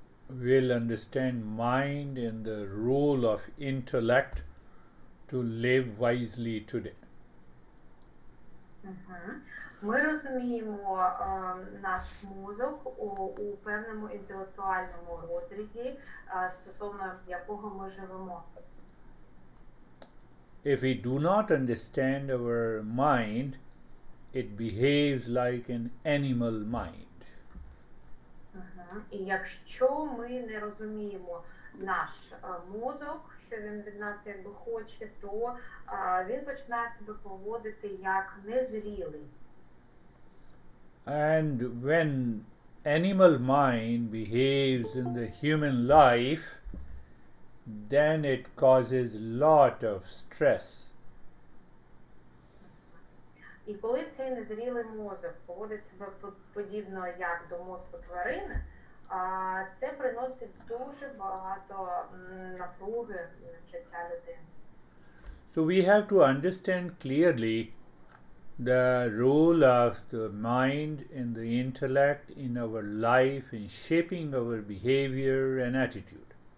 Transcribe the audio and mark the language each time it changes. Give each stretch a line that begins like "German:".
English: we'll understand mind and the role of intellect to live wisely today.
Ukrainian: Ми розуміємо наш мозок у певному інтелектуальному розрізі стосовно якого ми живемо.
English: If we do not understand our mind, it behaves like an animal mind.
Ukrainian: І якщо ми не розуміємо наш мозок, що він від нас якби хоче, то він починає себе поводити як незрілий.
English: And when animal mind behaves in the human life, then it causes a lot of stress.
Ukrainian: І коли цей незрілий мозок поводить себе подібно як до мозку тварини, це приносить дуже багато напруги на життя людини.
English: So we have to understand clearly the role of the mind and the intellect in our life in shaping our behavior and attitude.